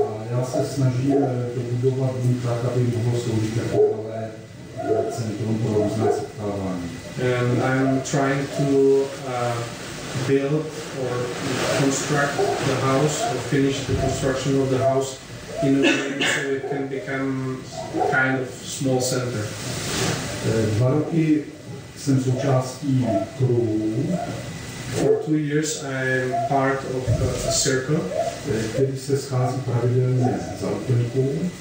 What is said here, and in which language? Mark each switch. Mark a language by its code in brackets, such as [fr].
[cs] Já se snažím to budovat tak, aby mohlo sloužit jako malé centrum pro různé setkávání. [en] And I'm trying to build or construct the house or finish the construction of the house in a way so it can become kind of small center. [cs] Dva roky jsem součástí kruhu. [en] For 2 years I am part of a circle. [cs] Který se schází pravidelně za úplníků.